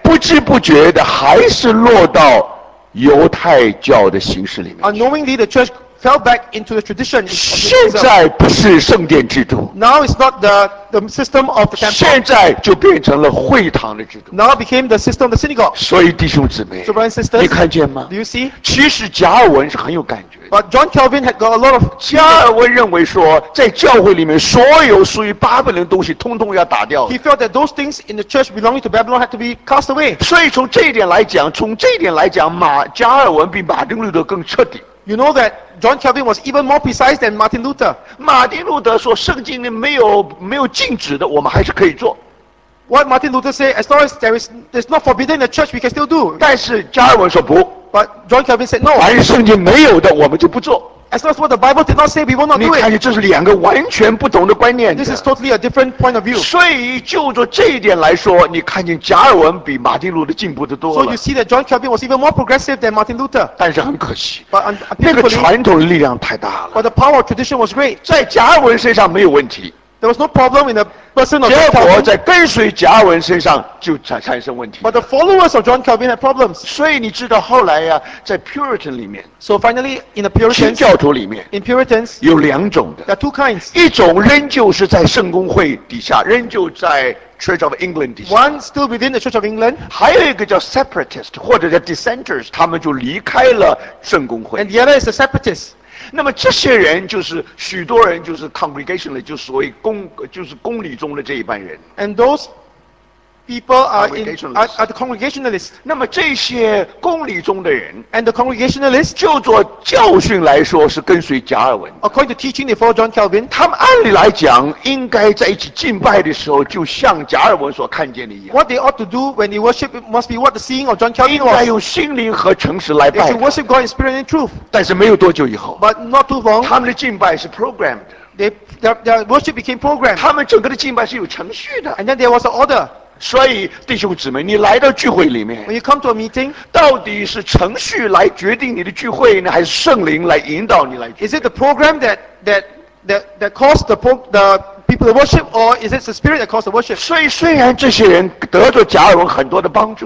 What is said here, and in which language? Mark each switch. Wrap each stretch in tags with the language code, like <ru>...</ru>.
<zh>不知不觉的还是落到犹太教的形式里面去。</zh> <en>Unknowingly, the church fell back into the tradition.</en> <zh>现在不是圣殿制度。</zh> <en>Now it's not the system of the temple.</en> <zh>现在就变成了会堂的制度。</zh> <en>Now became the system of the synagogue.</en> <zh>所以弟兄姊妹，</zh> <en>so brothers and sisters,</en> <zh>你看见吗？</zh> <en>Do you see?</en> <zh>其实加尔文是很有感觉。</zh> <en>But John Calvin had got a lot of.</en> <zh>加尔文认为说，在教会里面所有属于巴比伦的东西，通通要打掉。</zh> <en>He felt that those things in the church belonging to Babylon had to be cast away.</en> <zh>所以从这一点来讲，加尔文比马丁路德更彻底。</zh> <en>You know that John Calvin was even more precise than Martin Luther.</en> <zh>马丁路德说，圣经里没有禁止的，我们还是可以做。</zh> <en>What Martin Luther said, as long as there's not forbidden in the church, we can still do.</en> <zh>但是加尔文说不。</zh> <en>But John Calvin said no.</en> <zh>凡是圣经没有的，我们就不做。</zh> <en>As long as what the Bible did not say, we will not do it.</en> <zh>你看，这是两个完全不同的观念。</zh> <en>This is totally a different point of view.</en> <zh>所以，就着这一点来说，你看见加尔文比马丁路德进步的多了。</zh> <en>So you see that John Calvin was even more progressive than Martin Luther.</en> <zh>但是很可惜。</zh> <en>But</en> <zh>那个传统的力量太大了。</zh> <en>But the power of tradition was great.</en> <zh>在加尔文身上没有问题。</zh> <en>There was no problem in the person of John Calvin.</en> <zh>结果在跟随加尔文身上就产生问题。</zh> <en>But the followers of John Calvin had problems.</en> <zh>所以你知道后来呀，在 Puritan 里面。</zh> <en>So finally, in the Puritans.</en> <zh>清教徒里面。</zh> <en>In Puritans.</en> <zh>有两种的。</zh> <en>There are two kinds.</en> <zh>一种仍旧是在圣公会底下，仍旧在 Church of England 底下。</zh> <en>One still within the Church of England.</en> <zh>还有一个叫 Separatist 或者叫 Dissenters， 他们就离开了圣公会。</zh> <en>And the other is the Separatist.</en> <zh>那么这些人就是许多人就是 congregation 的，就是所谓公，就是公理中的这一班人。</zh> <en>And those people are the congregationalists.</en> <zh>那么这些公理中的人</zh> <en>，and the congregationalists，</en> <zh>就做教训来说是跟随加尔文。</zh> <en>According to teaching, they follow John Calvin.</en> <zh>他们按理来讲应该在一起敬拜的时候，就像加尔文所看见的一样。</zh> <en>What they ought to do when they worship must be what the seeing of John Calvin</en> <zh>was. 应该用心灵和诚实来拜。</zh> <en>They should worship God in spirit and truth.</en> <zh>但是没有多久以后</zh> <en>，but not too long，</en> <zh>他们的敬拜是 programmed.</zh> <en>Their worship became programmed.</en> <zh>他们整个的敬拜是有程序的。</zh> <en>And then there was an order.</en> <zh>所以弟兄姊妹，你来到聚会里面</zh> <en>When you come to a meeting,</en> <zh>到底是程序来决定你的聚会呢，还是圣灵来引导你来聚会？</zh> <en>Is it the program that caused the people to worship, or is it the spirit that caused the worship?</en> <zh>所以虽然这些人得到加尔文很多的帮助，</zh>